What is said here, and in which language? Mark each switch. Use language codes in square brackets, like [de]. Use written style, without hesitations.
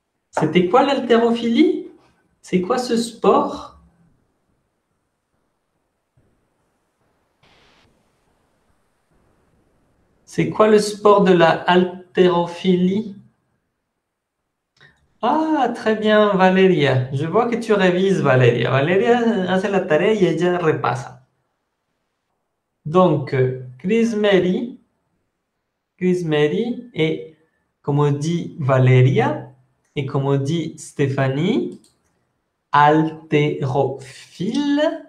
[fr] C'était quoi l'haltérophilie? C'est quoi ce sport? C'est quoi le sport de la haltérophilie? Ah, très bien, Valeria. Je vois que tu révises, Valeria. [es] Valeria hace la tarea y ella repasa. [fr] Donc, Chris Mary et, comme dit Valeria, et comme dit Stéphanie, haltérophile.